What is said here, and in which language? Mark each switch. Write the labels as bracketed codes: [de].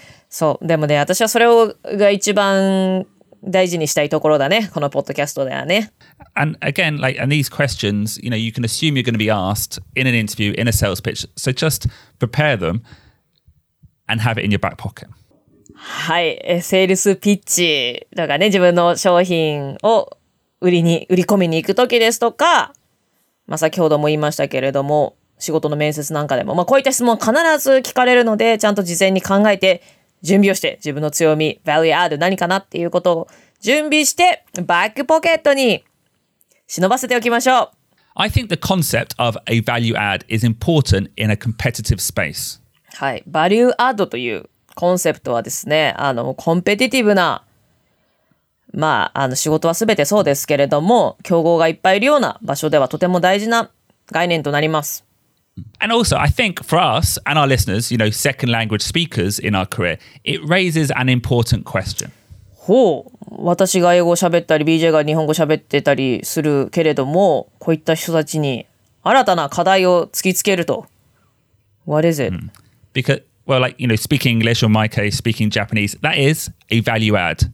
[ja] そう、でもね、私はそれが一番大事にしたいところだね、このポッドキャストではね。 [en] And again, like, and these questions, you know, you can assume you're going to be asked in an interview, in a sales pitch. So just prepare them. And have it in your back pocket. [ja] はい、セールスピッチとかね、自分の商品を売り込みに行くときですとか、まあ、先ほども言いましたけれども、仕事の面接なんかでも、まあ、こういった質問必ず聞かれるので、ちゃんと事前に考えて、準備をして、自分の強み、value add 何かなっていうことを準備して、バックポケットに忍ばせておきましょう。 [en] I think the concept of a value add is important in a competitive space. [ja] はい、バリューアッドというコンセプトはですね、あのコンペティティブな、まあ、あの仕事は全てそうですけれども、競合がいっぱいいるような場所ではとても大事な概念となります。 [en] And also I think for us and our listeners, you know, second language speakers in our career, it raises an important question. [ja] ほう、私が英語を喋ったり BJ が日本語を喋ってたりするけれども、こういった人たちに新たな課題を突きつけると。 [en] What is it?、 Because, well, like, you know, speaking English or in my case, speaking Japanese, that is a value add.